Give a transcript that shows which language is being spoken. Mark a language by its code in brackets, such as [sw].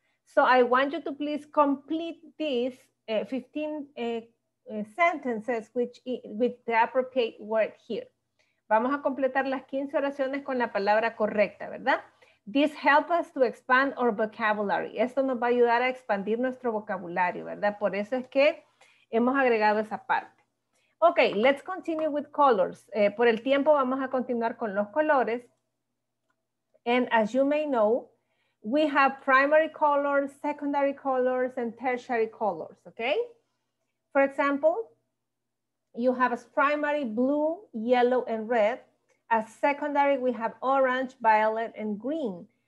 [en] So I want you to please complete these 15 sentences with the appropriate word here. [es] Vamos a completar las 15 oraciones con la palabra correcta, ¿verdad? [en] This helps us to expand our vocabulary. [es] Esto nos va a ayudar a expandir nuestro vocabulario, ¿verdad? Por eso es que hemos agregado esa parte. Ok, [en] let's continue with colors. [es] Por el tiempo vamos a continuar con los colores. [en] And as you may know, we have primary colors, secondary colors, and tertiary colors, okay? For example, you have as primary blue, yellow, and red. As secondary, we have orange, violet, and green.